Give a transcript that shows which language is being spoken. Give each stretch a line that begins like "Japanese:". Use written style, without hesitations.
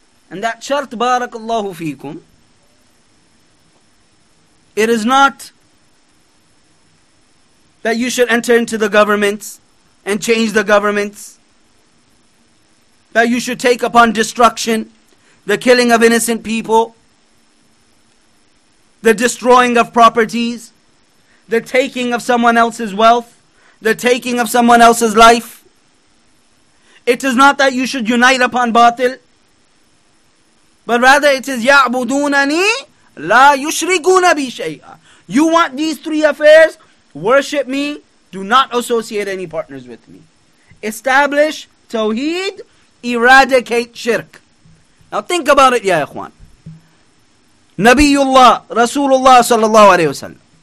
English: And that shart, barakallahu feekum, it is not that you should enter into the government and change the government, that you should take upon destruction, the killing of innocent people, the destroying of properties, the taking of someone else's wealth, the taking of someone else's life. It is not that you should unite upon batil. But rather it says,
Arabic: يَعْبُدُونَنِي لَا يُشْرِكُونَ بِي شَيْئًا.
English: You want these three affairs? Worship me. Do not associate any partners with me. Establish Tawheed. Eradicate Shirk. Now think about it, ya ikhwan. Nabiullah, Rasulullah sallallahu alayhi wa sallam.